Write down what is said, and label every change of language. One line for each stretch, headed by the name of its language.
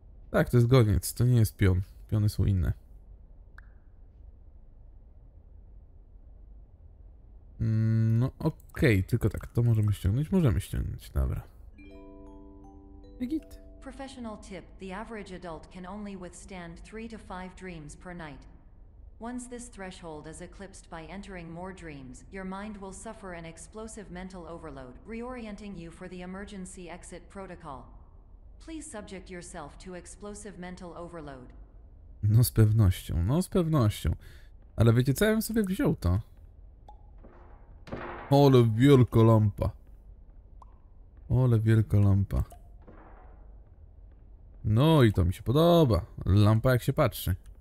Polish: Tak, to jest goniec, to nie jest pion. Piony są inne. No okej, okay, tylko tak, to możemy ściągnąć? Możemy ściągnąć, dobra. Git.
English: Professional tip, the average adult can only withstand 3 to 5 dreams per night. Once this threshold is eclipsed by entering more dreams, your mind will suffer an explosive mental overload, reorienting you for the emergency exit protocol. Please subject yourself to explosive mental overload.
Polish: No z pewnością, no z pewnością. Ale wiecie co, ja bym sobie wziął to. Ole wielka lampa. Ole wielka lampa. No i to mi się podoba. Lampa jak się patrzy.